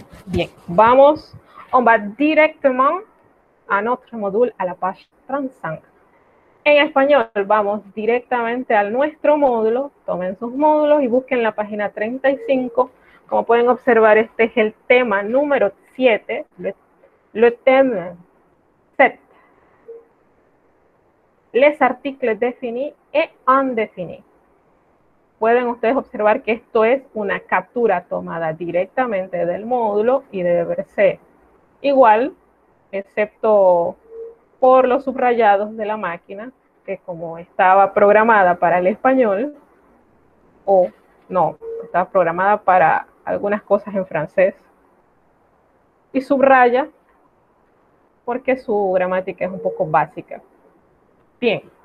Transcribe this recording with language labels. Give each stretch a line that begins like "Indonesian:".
Spanish: Bien, vamos.
French: On va
Spanish: directamente a nuestro módulo, a
French: la page Transang.
Spanish: En español, vamos directamente a nuestro módulo. Tomen sus módulos y busquen la página 35. Como pueden observar, este es el tema número 7.
French: Le thème 7. Les articles définis et indéfinis.
Spanish: Pueden ustedes observar que esto es una captura tomada directamente del módulo y debe verse igual, excepto por los subrayados de la máquina, que como estaba programada para el español, o no, estaba programada para algunas cosas en francés, y subraya porque su gramática es un poco básica. Bien.